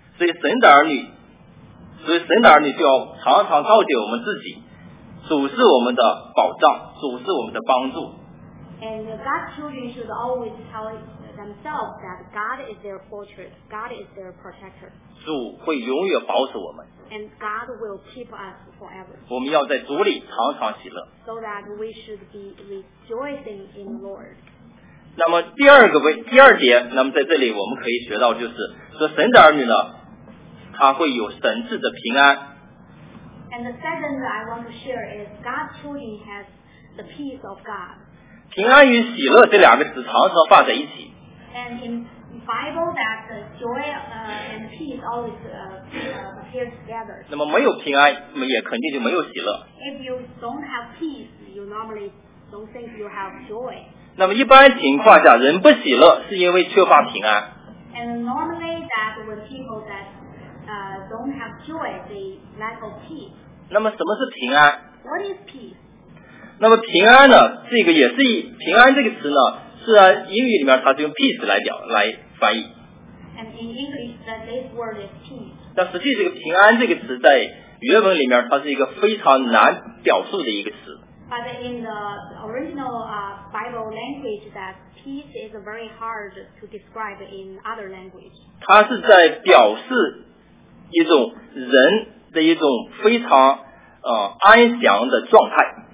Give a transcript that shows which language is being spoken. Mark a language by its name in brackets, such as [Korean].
[Chinese] 所以神的儿女就要常常告诫我们自己主是我们的保障，主是我们的帮助。 [English] And God's children should always tell themselves that God is their fortress, God is their protector. [Chinese] 主会永远保守我们。 [English] And God will keep us forever. [Chinese] 我们要在主里常常喜乐。 [English] So that we should be rejoicing in the Lord. [Chinese] 那么第二个第二点，那么在这里我们可以学到，就是说神的儿女呢，他会有神赐的平安。 [English] And the second that I want to share is God's children has the peace of God. [Chinese] 平安与喜乐这两个词常常放在一起。 [English] And in Bible that joy and peace always appears together. [Chinese] 那么没有平安，那么也肯定就没有喜乐。 [English] If you don't have peace, you normally don't think you have joy. [Chinese] 那么一般情况下，人不喜乐是因为缺乏平安。 [English] And normally that when people that don't have joy, they lack of peace. [Chinese] 那么什么是平安？ [English] What is peace? [Chinese] 那么平安呢，这个也是平安这个词呢，是啊，英语里面它是用 peace 来翻译。 [English] And in English, this word is peace. [Chinese] 但实际这个平安这个词在原文里面，它是一个非常难表述的一个词。 [English] But in the original Bible language, that peace is very hard to describe in other language. [Chinese] 它是在表示一种人的一种非常安详的状态。